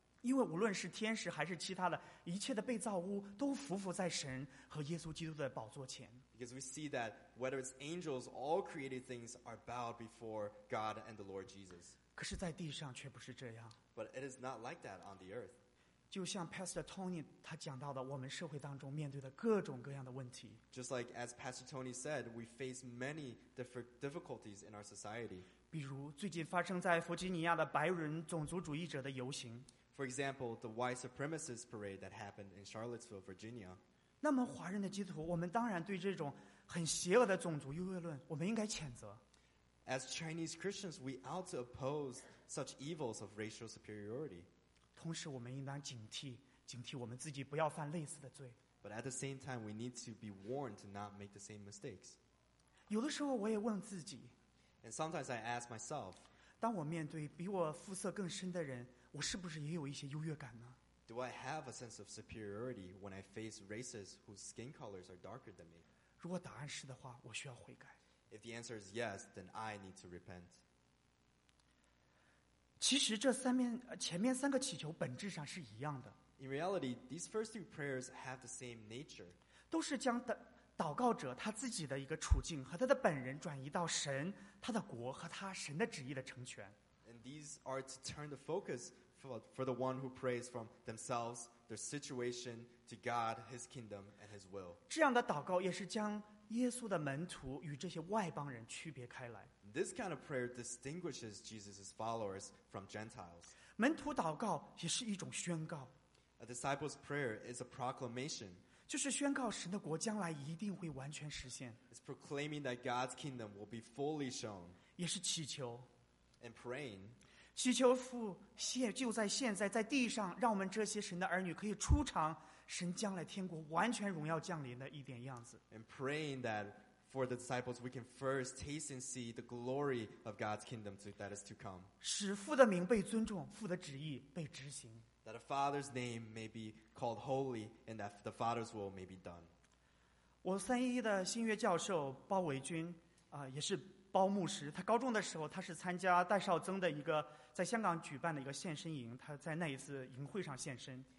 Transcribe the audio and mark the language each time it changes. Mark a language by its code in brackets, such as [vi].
[zh] 因为无论是天使还是其他的一切的被造物，都服伏在神和耶稣基督的宝座前。 [en] Because we see that whether it's angels, all created things are bowed before God and the Lord Jesus. [zh] 可是在地上却不是这样。 [en] But it is not like that on the earth. [zh] 就像 Pastor Tony 他讲到的，我们社会当中面对的各种各样的问题。 [en] Just like as Pastor Tony said, we face many different difficulties in our society. [zh] 比如最近发生在弗吉尼亚的白人种族主义者的游行。 [en] For example, the white supremacist parade that happened in Charlottesville, Virginia. [zh] 那么华人的基督徒，我们当然对这种很邪恶的种族优越论，我们应该谴责。 [en] As Chinese Christians, we ought to oppose such evils of racial superiority. [zh] 同时我们应当警惕我们自己不要犯类似的罪。 [en] But at the same time, we need to be warned to not make the same mistakes. [zh] 有的时候我也问自己。 [en] And sometimes I ask myself, [zh] 当我面对比我肤色更深的人，我是不是也有一些优越感呢？ [en] Do I have a sense of superiority when I face races whose skin colors are darker than me? [zh] 如果答案是的话，我需要悔改。 [en] If the answer is yes, then I need to repent. [zh] 其实这三面前面三个祈求本质上是一样的。 [en] In reality, these first two prayers have the same nature. [zh] 都是将祷告者他自己的一个处境和他的本人转移到神、他的国和他神的旨意的成全。 [en] And these are to turn the focus for the one who prays from themselves, their situation, to God, His kingdom, and His will. [zh] 这样的祷告也是将耶稣的门徒与这些外邦人区别开来。 [en] This kind of prayer distinguishes Jesus' followers from Gentiles. [zh] 门徒祷告也是一种宣告。 [en] A disciple's prayer is a proclamation. [zh] 就是宣告神的国将来一定会完全实现。 [en] It's proclaiming that God's kingdom will be fully shown. [zh] 也是祈求。 [en] And praying. [zh] 祈求父谢就在现在在地上，让我们这些神的儿女可以初尝神将来天国完全荣耀降临的一点样子。 [en] And praying that for the disciples we can first taste and see the glory of God's kingdom that is to come. [zh] 使父的名被尊重，父的旨意被执行。 [en] That the Father's name may be called holy and that the Father's will may be done. [zh] 我三一的新约教授包维军也是包牧师，他高中的时候他是参加戴绍曾的一个在香港举办的一个献身营，他在那一次营会上献身。